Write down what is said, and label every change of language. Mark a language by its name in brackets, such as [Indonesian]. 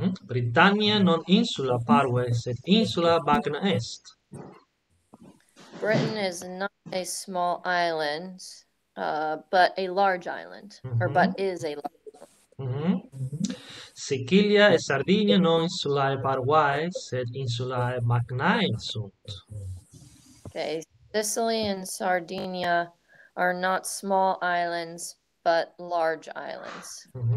[Latin] Britannia non insula parve, sed insula magna est. [English] Britain is not a small island, but a large island, or but is a large [Latin] Sicilia e Sardinia non insulae parvae, sed insulae magnae sunt. [English] Okay, Sicily and Sardinia are not small islands, but large islands.